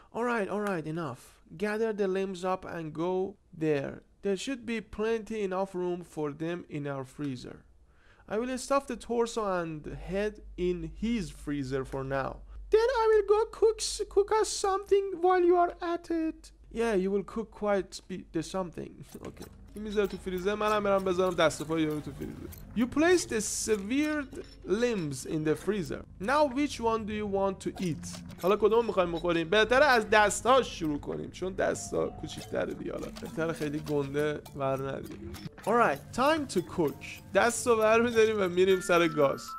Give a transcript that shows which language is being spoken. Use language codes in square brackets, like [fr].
[en] All right, enough. Gather the limbs up and go there. There should be plenty enough room for them in our freezer. I will stuff the torso and head in his freezer for now. Then I will go cook us something while you are at it. Yeah, you will cook quite the something. Okay. [fa] میذارم تو فریزر، منم برم بذارم دست و پای یارو تو فریزر. [en] You place the severed limbs in the freezer. Now which one do you want to eat? [fa] حالا کدوم میخوایم بخوریم؟ بهتره از دستاش شروع کنیم چون دستا کوچیک‌تره دیگه. حالا بهتره خیلی گنده ور ندیم. [en] Alright, time to cook. [fa] دست رو ور میداریم و میریم سر گاز.